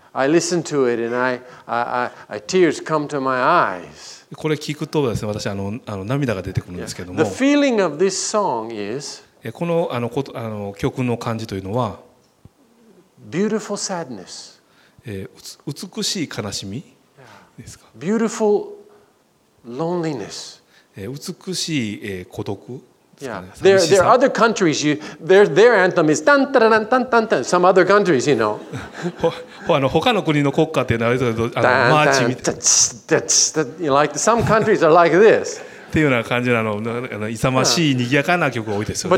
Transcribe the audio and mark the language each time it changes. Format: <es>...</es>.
<en>I listen to it and I tears come to my eyes.</en> <ja>これ聞くとですね、私あの涙が出てくるんですけども。</ja> <en>The feeling of this song is.</en> <ja>この あの曲の感じというのは。</ja> <en>Beautiful sadness.</en> <ja>美しい悲しみですか。</ja> <en>Beautiful. Loneliness.</en> <ja>美しい孤独。</ja> <en>There are other countries. Their anthem is tan tan tan tan tan tan. Some other countries, you know.</en> <ja>あの他の国の国歌っていうのはあれとあのマーチみたいな。</ja> <en>You like some countries are like this.</en> <ja>っていうような感じのあの勇ましい賑やかな曲が多いですよね。</ja>